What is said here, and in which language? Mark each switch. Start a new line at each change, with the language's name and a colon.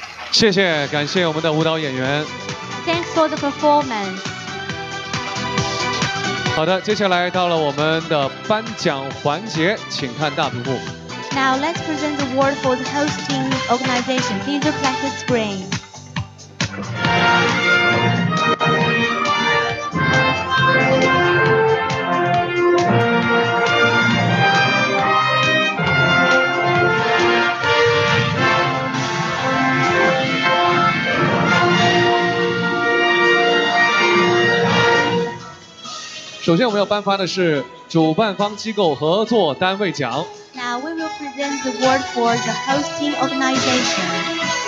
Chinese: 谢谢，感谢我们的舞蹈演员。
English: Thanks for the performance。
Chinese: 好的，接下来到了我们的颁奖环节，请看大屏幕。
English: Now let's present the award for the hosting organization. Please look at the screen.
Chinese: 首先我们要颁发的是主办方机构合作单位奖。
English: Now we will present the award for the hosting organization.